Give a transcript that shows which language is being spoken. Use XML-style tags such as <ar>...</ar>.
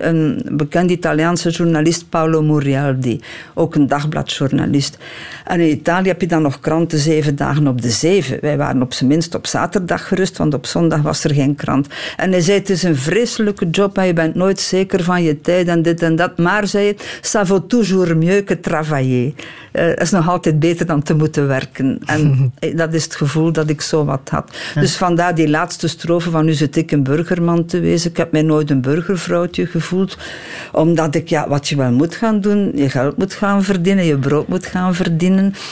<nl>Een bekend Italiaanse journalist, Paolo Murialdi. Ook een dagbladjournalist. En in Italië heb je dan nog kranten 7 dagen op de 7. Wij waren op zijn minst op zaterdag gerust, want op zondag was er geen krant. En hij zei, het is een vreselijke job en je bent nooit zeker van je tijd en dit en dat. Maar, zei hij,</nl> <fr>ça vaut toujours mieux que travailler.</fr> <nl>Het is nog altijd beter dan te moeten werken. En dat is het gevoel dat ik zo wat had. Ja. Dus vandaar die laatste strofe van, nu zit ik een burgerman te wezen. Ik heb mij nooit een burgervrouwtje gevoeld. Omdat ik, ja, wat je wel moet gaan doen, je geld moet gaan verdienen, je brood moet gaan verdienen.</nl>